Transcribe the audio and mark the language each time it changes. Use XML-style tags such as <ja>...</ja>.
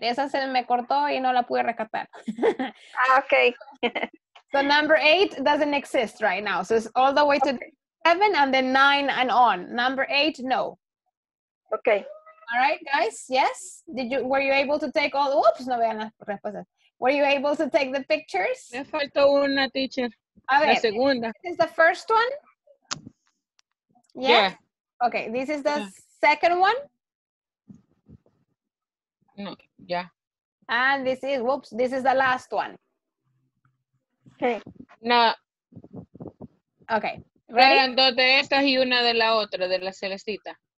<es>Esa se me cortó y no la pude rescatar.</es> <en>Okay. So number 8 doesn't exist right now. So it's all the way to 7 and then 9 and on. Number 8, no. Okay. All right, guys, yes? Were you able to take all, oops,</en> <es>no vean las respuestas.</es> <en>Were you able to take the pictures?</en> <es>Me faltó una, teacher. A ver, la segunda.</es> <en>This is the first one? Yeah. Okay, this is the second one? No, yeah. And this is, whoops, this is the last one. Okay. No. Okay, ready?</en> <es>Eran dos de estas y una de la otra, de la celestita.</es>